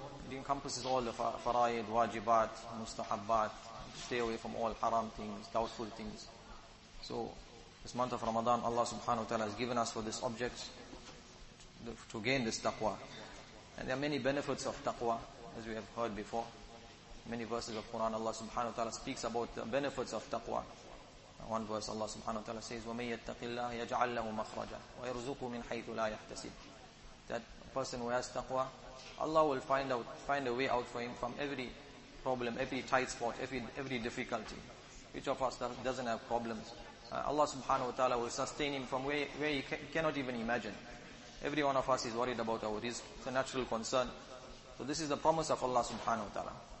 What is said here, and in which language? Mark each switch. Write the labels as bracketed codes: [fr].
[en] It encompasses all the faraid, wajibat, mustahabbat, stay away from all haram things, doubtful things. So this month of Ramadan, Allah subhanahu wa ta'ala has given us for this object to gain this taqwa. And there are many benefits of taqwa, as we have heard before. Many verses of Quran, Allah subhanahu wa ta'ala speaks about the benefits of taqwa. One verse, Allah subhanahu wa ta'ala says, [ar] وَمَنْ يَتَّقِ اللَّهِ يَجْعَلْ لَهُ مَخْرَجًا وَيَرْزُقُ مِنْ حَيْثُ لَا يَحْتَسِبْ. [en] That person who has taqwa, Allah will find a way out for him from every problem, every tight spot, every difficulty. Each of us doesn't have problems. Allah subhanahu wa ta'ala will sustain him from where he cannot even imagine. Every one of us is worried about our risk. It's a natural concern. So this is the promise of Allah subhanahu wa ta'ala.